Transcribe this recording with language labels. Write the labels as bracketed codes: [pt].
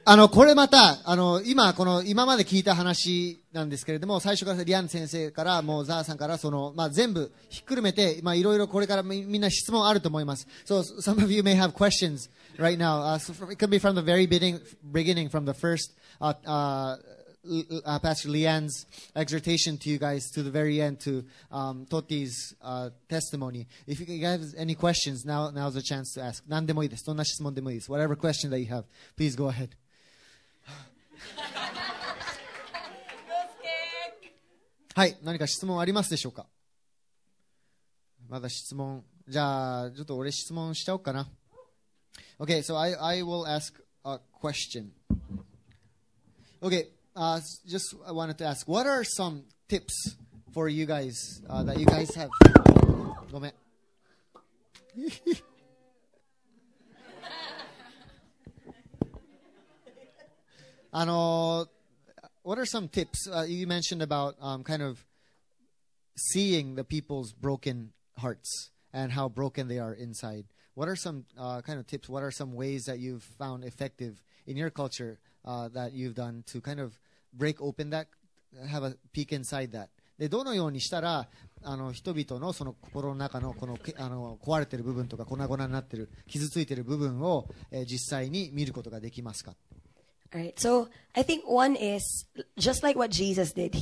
[ja] これまた、今まで聞いた話なんですけれども、最初からリアン先生から、もうザーさんから、まあ、全部ひっくるめて、まあ、いろいろこれからみんな質問あると思います。 [en] So, some of you may have questions right now.、So、it could be from the very beginning, from the first, Pastor Leanne's exhortation to you guys to the very end to Totti's testimony. If you guys have any questions, now's a chance to ask. [ja] 何でもいいです。どんな質問でもいいです。 [en] Whatever question that you have, please go ahead. [ja] はい、何か質問ありますでしょうか。まだ質問。じゃあ、ちょっと俺質問しちゃおうかな。 [en] Okay, so I will ask a question. Okay. Just I wanted to ask, what are some tips for you guys、that you guys have? [ja] ごめん。 [en] what are some tips、you mentioned about、kind of seeing the people's broken hearts and how broken they are inside? What are some、kind of tips? What are some ways that you've found effective in your culture、that you've done to kind of. Break open that, have a peek inside that. [ja] で、どのようにしたら、人々のその心の中のこの、壊れてる部分とか粉々になってる、傷ついてる部分を、実際に見ることができますか? [en] Alright, so I think one is just like what Jesus did.